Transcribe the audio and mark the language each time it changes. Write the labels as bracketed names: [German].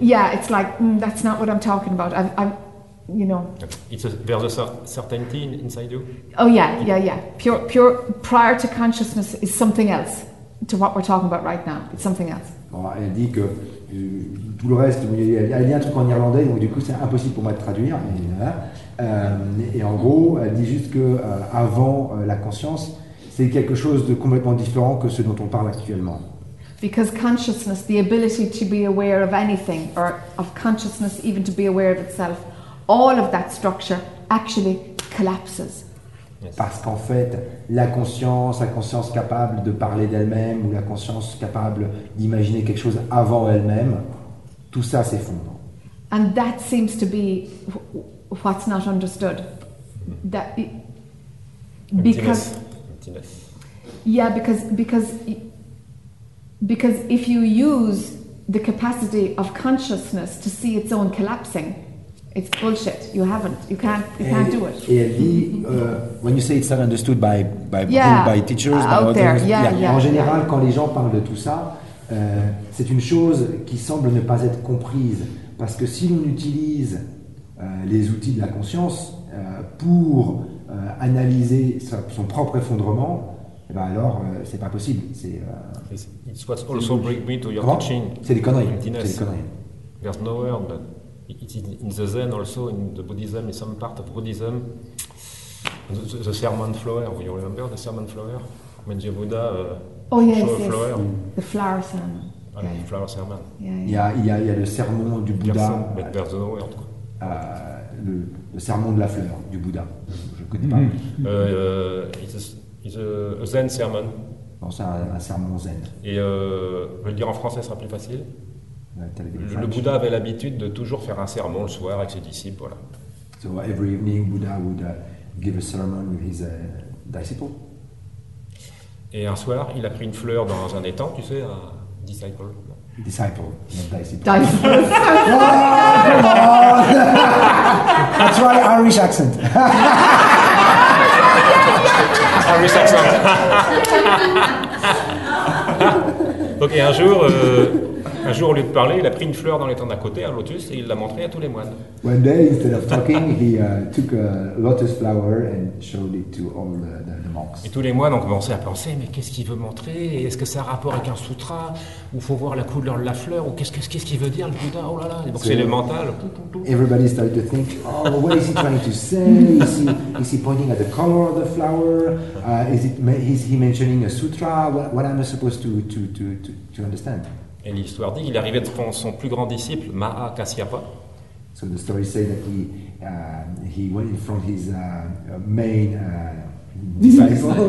[English] Yeah, it's like, that's not what I'm talking about. I'm you know. It's a, there's a certainty inside you? Oh, yeah, yeah, yeah. Pure prior to consciousness is something else to what we're talking about right now. It's something else. [French] Bon, elle dit que tout le reste, elle dit un truc en irlandais, donc du coup c'est impossible pour moi de traduire. Et en gros, elle dit juste que avant la conscience, c'est quelque chose de complètement différent que ce dont on parle actuellement. [English] Because consciousness, the ability to be aware of anything, or of consciousness even to be aware of itself, all of that structure actually collapses. Yes. [French] Parce qu'en fait, la conscience capable de parler d'elle-même, ou la conscience capable d'imaginer quelque chose avant elle-même, tout ça s'effondre. [English] And that seems to be what's not understood. That because emptiness. Yeah, because if you use the capacity of consciousness to see its own collapsing, it's bullshit. You haven't. You can't do it. [French] Et elle dit, [English] when you say it's not understood by teachers, out by there. Others, yeah. [French] En général, quand les gens parlent de tout ça, c'est une chose qui semble ne pas être comprise. Parce que si l'on utilise les outils de la conscience pour analyser son propre effondrement, eh ben alors, c'est pas possible. C'est, [English] it's what also brings me to your comment? Teaching. [French] C'est des conneries. C'est des conneries. [English] There's no word, but it's in the Zen also, in the Buddhism, in some part of Buddhism. The sermon flower, you remember the sermon flower? When the Buddha flower. The flower sermon. Yeah. Flower sermon. [French] Il y a le sermon du Bouddha. [English] But there's no word. [French] Le sermon de la fleur du Bouddha. Je ne connais pas. [English] It's a Zen sermon. [French] Non, c'est un sermon zen. Et je vais le dire en français, ce sera plus facile. Le Bouddha avait l'habitude de toujours faire un sermon le soir avec ses disciples. Voilà. [English] So every evening, Buddha would give a sermon with his disciples. [French] Et un soir, il a pris une fleur dans un étang, tu sais, un disciple. [English] Disciple, not disciple. That's why Irish accent. Irish accent. [French] Donc, et un jour, au lieu de parler, il a pris une fleur dans l'étang d'à côté, un lotus, et il l'a montré à tous les moines. [English] One day, instead of talking, he took a lotus flower and showed it to all the monks. [French] Et tous les moines ont commencé à penser, mais qu'est-ce qu'il veut montrer? Est-ce que ça a un rapport avec un sutra? Ou faut voir la couleur de la fleur? Ou qu'est-ce qu'il veut dire, le Bouddha? Oh là là! Donc, so c'est le mental. [English] Everybody started to think, oh, what is he trying to say? Is he pointing at the color of the flower? Is he mentioning a sutra? What am I supposed to understand? [French] Et l'histoire dit qu'il arrivait devant son plus grand disciple, Maha Kassyapa. [English] So the story says that he went in front of his main disciple.